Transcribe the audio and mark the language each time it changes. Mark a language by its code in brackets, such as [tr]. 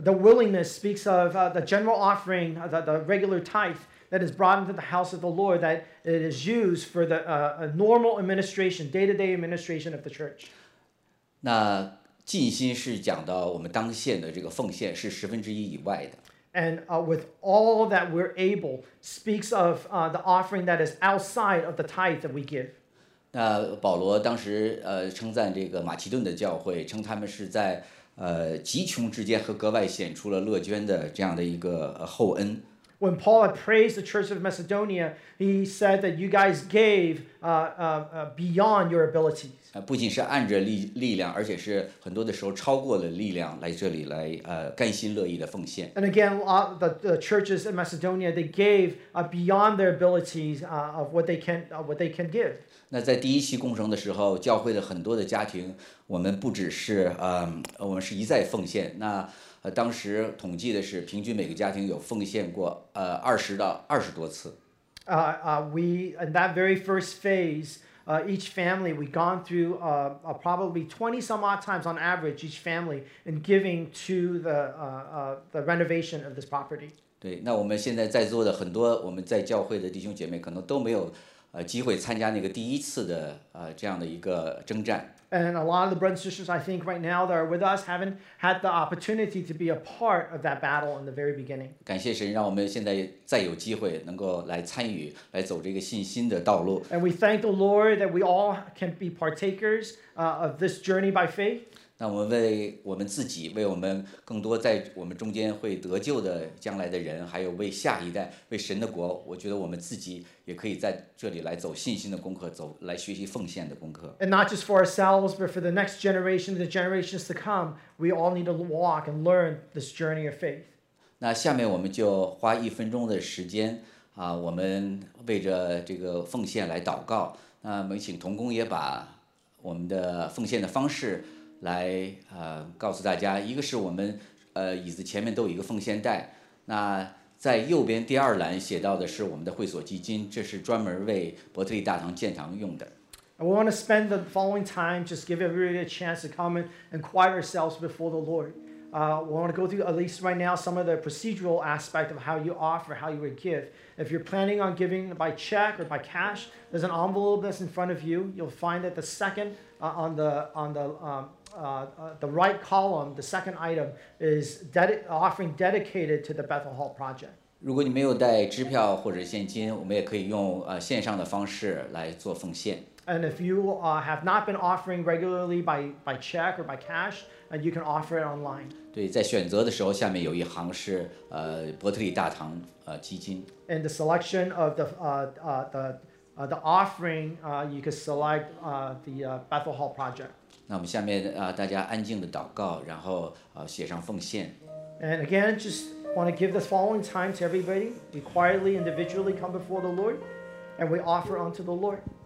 [en] The willingness speaks of the general offering, the regular tithe that is brought into the house of the Lord, that it is used for the normal administration, day-to-day administration of the church. [zh] 那尽心是讲到我们当献的这个奉献是十分之一以外的。 [en] And with all that we're able, speaks of the offering that is outside of the tithe that we give. [zh] 那保罗当时称赞这个马其顿的教会，称他们是在极穷之间和格外显出了乐捐的这样的一个厚恩。 [en] When Paul had praised the church of Macedonia, he said that you guys gave beyond your abilities. [zh] 不仅是按着力量，而且是很多的时候超过了力量来这里来甘心乐意的奉献。 [en] And again, the churches in Macedonia, they gave beyond their abilities of what they can give. [zh] 那在第一期工程的时候，教会的很多的家庭，我们不只是我们是一再奉献。那当时统计的是，平均每个家庭有奉献过20到20多次。 [en] We in that very first phase, each family we gone through probably 20 some odd times on average each family in giving to the renovation of this property. [zh] 对，那我们现在在座的很多我们在教会的弟兄姐妹可能都没有机会参加那个第一次的这样的一个征战。 [en] And a lot of the brothers and sisters, I think, right now that are with us haven't had the opportunity to be a part of that battle in the very beginning. [zh] 感谢神，让我们现在再有机会能够来参与，来走这个信心的道路。 [en] And we thank the Lord that we all can be partakers of this journey by faith. [zh] 那我们为我们自己，为我们更多在我们中间会得救的将来的人，还有为下一代，为神的国，我觉得我们自己也可以在这里来走信心的功课，走来学习奉献的功课。 [en] And not just for ourselves, but for the next generation, the generations to come, we all need to walk and learn this journey of faith. [zh] 那下面我们就花一分钟的时间我们为着这个奉献来祷告。那我们请同工也把我们的奉献的方式来告诉大家。一个是我们椅子前面都有一个奉献袋，那在右边第二栏写到的是我们的会所基金，这是专门为伯特利大堂建堂用的。 [en] We want to spend the following time just give everybody a chance to come and quiet ourselves before the Lord. We want to go through at least right now some of the procedural aspect of how you offer, how you would give. If you're planning on giving by check or by cash, there's an envelope that's in front of you. You'll find that the second on the right column, the second item is offering dedicated to the Bethel Hall project. [zh] 如果你没有带支票或者现金，我们也可以用线上的方式来做奉献。 [en] And if you have not been offering regularly by check or by cash, and you can offer it online. [zh] 对，在选择的时候，下面有一行是伯特利大堂基金。 [en] And the selection of the offering, you can select Bethel Hall project. [zh] 那我们下面大家安静的祷告，然后写上奉献。 [en] And again, just want to give the following time to everybody. We quietly, individually come before the Lord, and we offer unto the Lord.